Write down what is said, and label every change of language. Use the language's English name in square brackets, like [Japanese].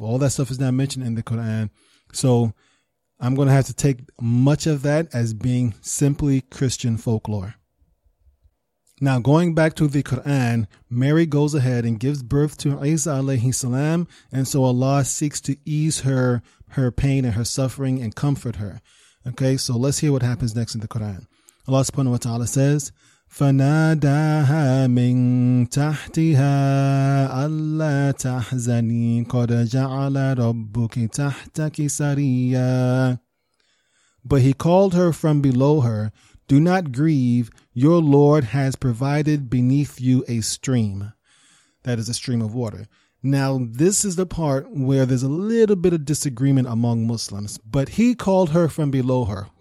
[English] All that stuff is not mentioned in the Quran. So I'm going to have to take much of that as being simply Christian folklore. Now, going back to the Quran, Mary goes ahead and gives birth to Isa alayhi salam. And so Allah seeks to ease her pain and her suffering and comfort her. Okay, so let's hear what happens next in the Quran. Allah subhanahu wa ta'ala says, [Arabic] فَنَادَاهَا مِن تَحْتِهَا أَلَّا تَحْزَنِي قَدْ جَعَلَ رَبُّكِ تَحْتَكِ سَرِيًّا. [English] But he called her from below her, "Do not grieve, your Lord has provided beneath you a stream." That is a stream of water. Now, this is the part where there's a little bit of disagreement among Muslims. But he called her from below her.